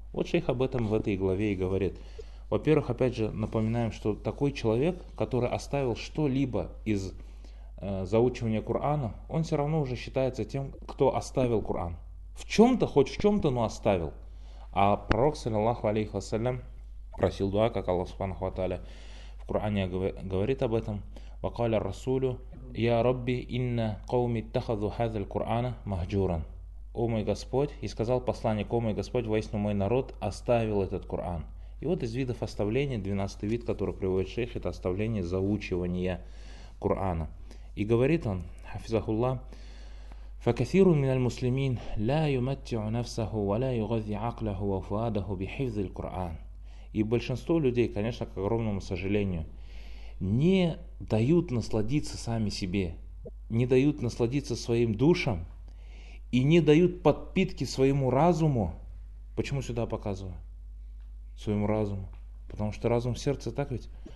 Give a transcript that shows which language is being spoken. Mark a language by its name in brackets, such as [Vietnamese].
[Russian] Вот шейх об этом в этой главе и говорит. Во-первых, опять же, напоминаем, что такой человек, который оставил что-либо из заучивания Корана, он все равно уже считается тем, кто оставил Коран. В чем-то, хоть в чем-то, но оставил. А пророк, саллиллаху алейхи вассалям, просил дуа, как Аллах субханаху ва тааля в Коране говорит об этом. [Arabic] وقال الرسول يا ربي إن قومي اتخذوا هذا القرآن مهجورا. [Russian] О мой Господь, и сказал посланник, о мой Господь, воистину мой народ оставил этот Коран. И вот из видов оставления, 12-й вид, который приводит шейх, это оставление заучивания Корана. И говорит он, [Arabic] حفظه الله, فكثير من المسلمين لا يمتع نفسه ولا يغذي عقله وفؤاده بحفظ القرآن. [Russian] И большинство людей, конечно, к огромному сожалению, не дают насладиться сами себе, не дают насладиться своим душам и не дают подпитки своему разуму. Почему сюда показываю? Своему разуму. Потому что разум в сердце, так ведь?